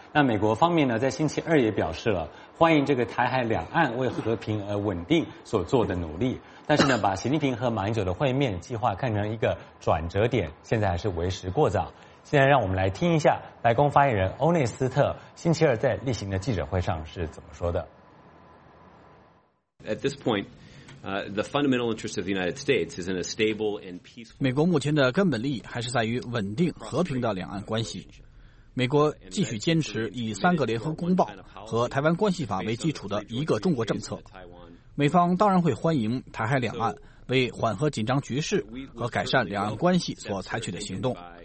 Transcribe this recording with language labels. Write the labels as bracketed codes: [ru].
[zh] 那美国方面呢，在星期二也表示了欢迎这个台海两岸为和平而稳定所做的努力，但是呢，把习近平和马英九的会面计划看成一个转折点，现在还是为时过早。现在让我们来听一下白宫发言人欧内斯特星期二在例行的记者会上是怎么说的。 [en] At this pointthe fundamental interest of the United States is in a stable and peaceful. [zh] 美国目前的根本利益还是在于稳定和平的两岸关系。美国继续坚持以三个联合公报和台湾关系法为基础的一个中国政策。美方当然会欢迎台海两岸为缓和紧张局势和改善两岸关系所采取的行动。